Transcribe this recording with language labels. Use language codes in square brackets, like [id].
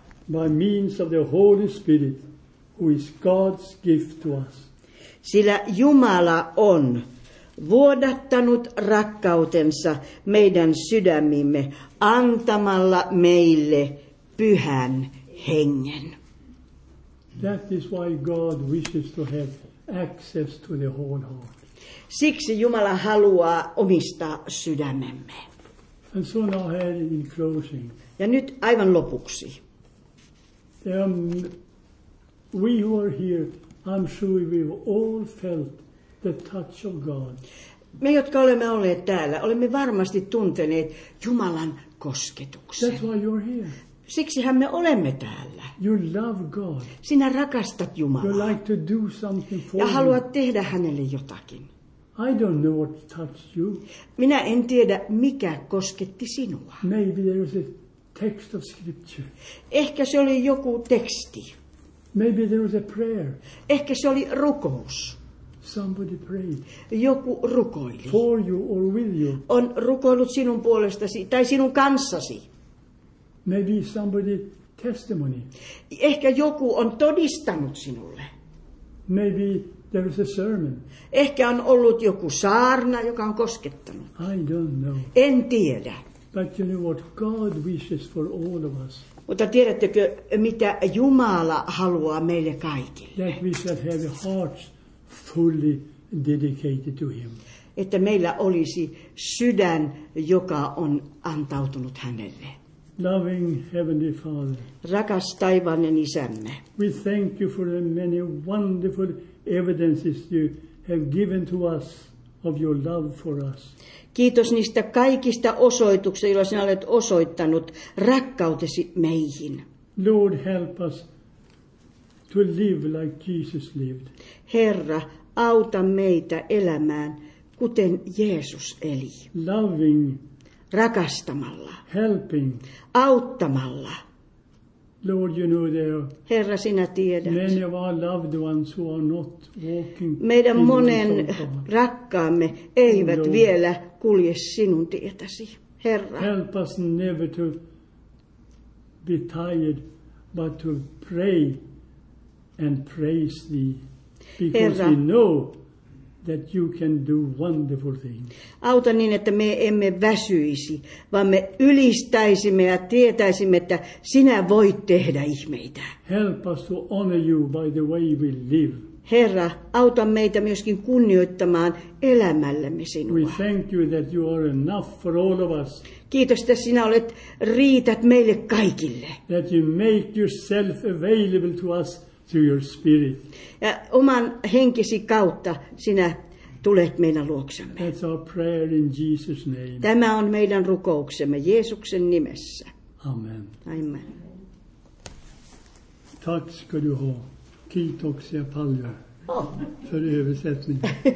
[en] By means of the Holy Spirit, who is God's gift to us. [fi] Sillä Jumala on vuodattanut rakkautensa meidän sydämimme antamalla meille pyhän hengen. [en] That is why God wishes to have access to the whole heart. [fi] Siksi Jumala haluaa omistaa sydämemme. [en] And so now in closing. [fi] Ja nyt aivan lopuksi. [en] We who are here, I'm sure we've all felt the touch of God. [fi] Me, jotka olemme olleet täällä, olemme varmasti tunteneet Jumalan kosketuksen. [en] That's why you're here. [fi] Siksihän me olemme täällä. [en] You love God. [fi] Sinä rakastat Jumalaa. [en] You like to do something for [fi] ja haluat tehdä hänelle jotakin. [en] I don't know what touched you. [fi] Minä en tiedä, mikä kosketti sinua. [en] Maybe there was a text of scripture. [fi] Ehkä se oli joku teksti. [en] Maybe there was a prayer. [fi] Ehkä se oli rukous. [en] Somebody prayed. [fi] Joku rukoili. [en] For you or with you. [fi] On rukoillut sinun puolestasi tai sinun kanssasi. [en] Maybe somebody testimony. [fi] Ehkä joku on todistanut sinulle. [en] Maybe there was a sermon. [fi] Ehkä on ollut joku saarna, joka on koskettanut. [en] I don't know. [fi] En tiedä. [en] But you know what God wishes for all of us. [fi] Mutta tiedättekö, mitä Jumala haluaa meille kaikille? [en] That we shall have hearts fully dedicated to him. [fi] Että meillä olisi sydän, joka on antautunut hänelle. [en] Loving Heavenly Father. [fi] Rakas taivainen isämme. [en] We thank you for the many wonderful evidences you have given to us of your love for us. [fi] Kiitos niistä kaikista osoituksista, joilla sinä olet osoittanut rakkautesi meihin. [en] Lord, help us to live like Jesus lived. [fi] Herra, auta meitä elämään kuten Jeesus eli. [en] Loving, [fi] rakastamalla. [en] Helping, [fi] auttamalla. [en] Lord, you know there. [fi] Herra, sinä tiedät. [en] Many of our loved ones who are not walking. [fi] Meidän monen rakkaamme eivät vielä kulje sinun tietäsi. Herra, [en] help us never to be tired, but to pray and praise thee, because [fi] Herra, [en] we know that you can do wonderful things. [fi] Auta niin, että me emme väsyisi, vaan me ylistäisimme ja tietäisimme, että sinä voit tehdä ihmeitä. [en] Help us to honor you by the way we live. [fi] Herra, auta meitä myöskin kunnioittamaan elämällämme sinua. [en] We thank you that you are enough for all of us. [fi] Kiitos, että sinä olet riität meille kaikille. [en] That you make yourself available to us through your spirit. [fi] Ja oman henkesi kautta sinä tulet meidän luoksemme. [en] That's our prayer in Jesus' name. [fi] Tämä on meidän rukouksemme Jeesuksen nimessä. [en] Amen. [fi] Amen. [sv] Tack ska du ha. [fi] Kiitoksia paljon [sv] för översättningen.